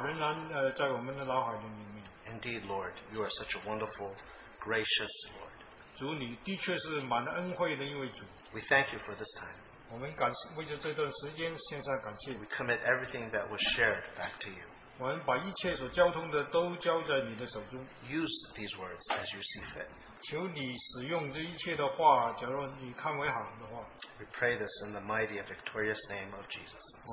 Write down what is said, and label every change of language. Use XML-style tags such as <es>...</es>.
<zh>我们祈求主，当我们离开这个地方的话，这一切的鼓励的话仍然在我们的脑海里面。</zh> <en>Indeed, Lord, you are such a wonderful, gracious Lord.</en> <zh>主，你的确是满恩惠的一位主。</zh> <en>We thank you for this time.</en> <zh>我们感谢为着这段时间献上感谢。</zh> <en>We commit everything that was shared back to you.</en> <zh>我们把一切所交通的都交在你的手中。</zh> <en>Use these words as you see fit.</en> <zh>求你使用这一切的话，假如你看为好的话。</zh> <en>We pray this in the mighty and victorious name of Jesus.</en>